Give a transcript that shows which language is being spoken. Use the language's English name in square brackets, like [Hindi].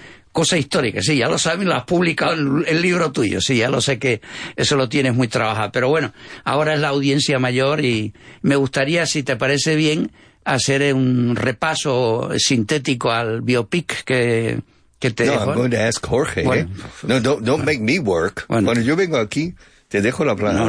[Spanish] Cosa histórica, sí, ya lo saben, lo has publicado en el libro tuyo, sí, ya lo sé que eso lo tienes muy trabajado. Pero bueno, ahora es la audiencia mayor y me gustaría, si te parece bien, hacer un repaso sintético al biopic que te no, dejo. [English] No, I'm going to ask Jorge, bueno, No, don't make me work. [Spanish] Bueno, cuando yo vengo aquí, te dejo la plana.